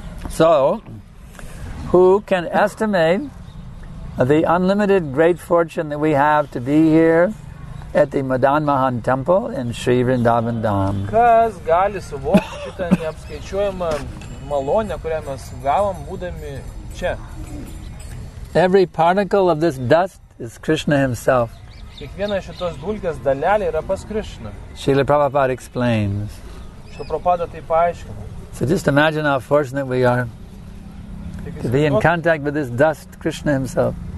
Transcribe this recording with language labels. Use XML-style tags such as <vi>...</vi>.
<en>So, who can estimate the unlimited great fortune that we have to be here at the Madan Mohan Temple in Sri Vrindavan Dham?</en> <lt>Kas gali suvokti šitą neapskaičiuojamą malonę, kurią mes gavom būdami čia?</lt> <en>Every particle of this dust is Krishna himself.</en> <lt>Kiekviena šitos dulkės dalelė yra pas Krishna.</lt> <en>Srila Prabhupada explains.</en> <lt>Srila Prabhupada tai paaiškina.</lt> <en>So just imagine how fortunate we are to be in contact with this dust, Krishna himself.</en>